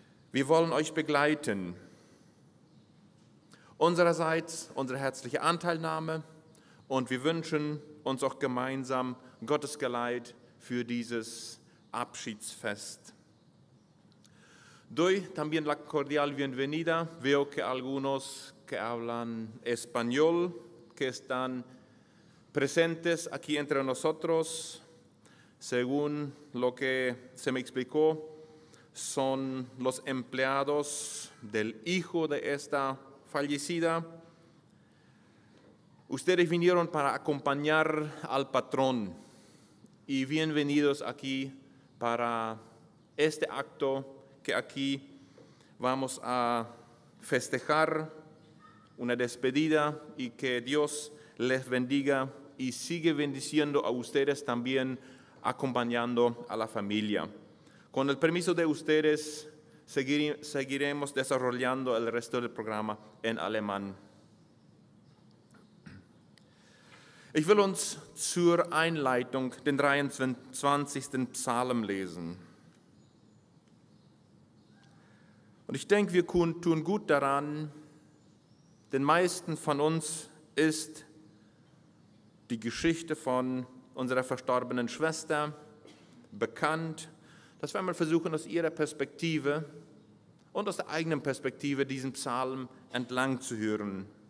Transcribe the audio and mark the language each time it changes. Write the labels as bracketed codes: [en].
[de] Wir wollen euch begleiten. Unsererseits unsere herzliche Anteilnahme und wir wünschen uns auch gemeinsam Gottes Geleit für dieses Abschiedsfest. [es] Doy también la cordial bienvenida. Veo que algunos que hablan español que están presentes aquí entre nosotros. Según lo que se me explicó, son los empleados del hijo de esta fallecida. Ustedes vinieron para acompañar al patrón y bienvenidos aquí para este acto que aquí vamos a festejar, una despedida, y que Dios les bendiga y sigue bendiciendo a ustedes también, acompañando a la familia. Con el permiso de ustedes, seguiremos desarrollando el resto del programa en alemán. [de] Ich will uns zur Einleitung den 23. Psalm lesen. Und ich denke, wir tun gut daran, den meisten von uns ist die Geschichte von unserer verstorbenen Schwester bekannt, dass wir einmal versuchen, aus ihrer Perspektive und aus der eigenen Perspektive diesen Psalm entlang zu hören.